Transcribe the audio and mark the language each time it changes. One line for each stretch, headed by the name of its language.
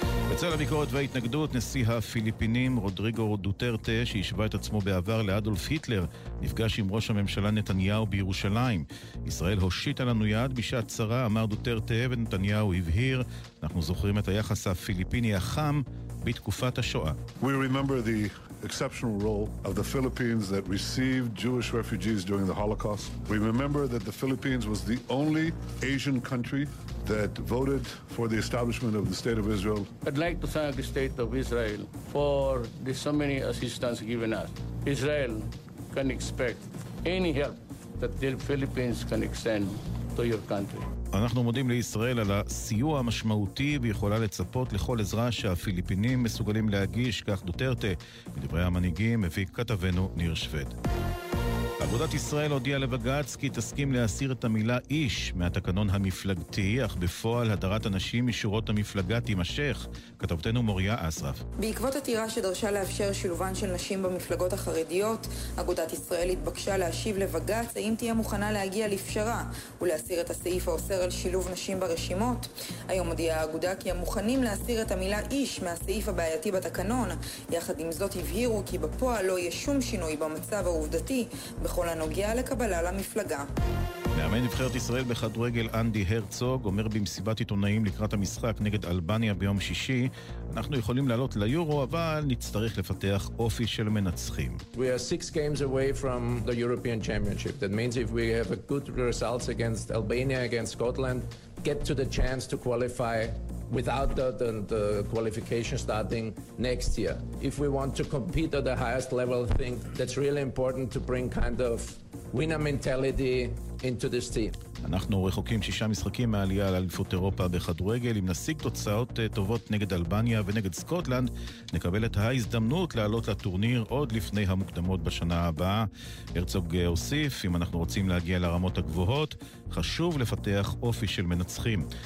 Hebrew: בצל הביקורת וההתנגדות, נשיא הפיליפינים רודריגו דוטרטה, שהשווה את עצמו בעבר לאדולף היטלר, נפגש עם ראש הממשלה נתניהו בירושלים. ישראל הושיטה לנו יד בשעת צרה, אמר דוטרטה, ונתניהו הבהיר, אנחנו זוכרים את היחס הפיליפיני החם בתקופת השואה.
English: We remember the exceptional role of the Philippines that received Jewish refugees during the Holocaust. We remember that the Philippines was the only Asian country that voted for the establishment of the state of Israel. I'd like to thank the state of Israel for the so many assistance given us. Israel can expect any help that the Philippines can extend to your country.
Hebrew: אנחנו מודים לישראל על הסיוע המשמעותי ויכולה לצפות לכל עזרה שהפיליפינים מסוגלים להגיש, כך דוטרטה, מדברי המנהיגים, הביא כתבנו ניר שבד. אגודת ישראל הודיעה לבגץ כי תסכים להסיר את המילה איש מהתקנון המפלגתי, אך בפועל הדרת אנשים משורות המפלגה תימשך, כתבתנו מוריה אסרף. בעקבות עתירה שדרשה לאפשר שילובן של נשים במפלגות החרדיות, אגודת ישראל התבקשה להשיב לבגץ האם תהיה מוכנה להגיע לפשרה ולהסיר את הסעיף האוסר על שילוב נשים ברשימות. היום הודיעה האגודה כי הם מוכנים להסיר את המילה איש מהסעיף הבעייתי בתקנון. יחד עם זאת הבהירו כי בפועל לא יהיה שום שינוי במצב העובדתי בכל הנוגע לקבלה למפלגה. מאמן נבחרת ישראל בכדורגל אנדי הרצוג אומר במסיבת עיתונאים לקראת המשחק נגד אלבניה ביום שישי, אנחנו יכולים לעלות ליורו, אבל נצטרך לפתח אופי של מנצחים.
English: We are 6 games away from the European Championship. That means if we have a good results against Albania, against Scotland, get to the chance to qualify without the qualification starting next year. If we want to compete at the highest level, I think that's really important to bring kind of winner mentality into this team.
Hebrew: אנחנו רחוקים 6 משחקים מהעלייה לאליפות אירופה בכדורגל. אם נשיג תוצאות טובות נגד אלבניה ונגד סקוטלנד, נקבל את ההזדמנות לעלות לטורניר עוד לפני המוקדמות בשנה הבאה. הרצוג הוסיף, אם אנחנו רוצים להגיע לרמות הגבוהות, חשוב לפתח אופי של מנצחים.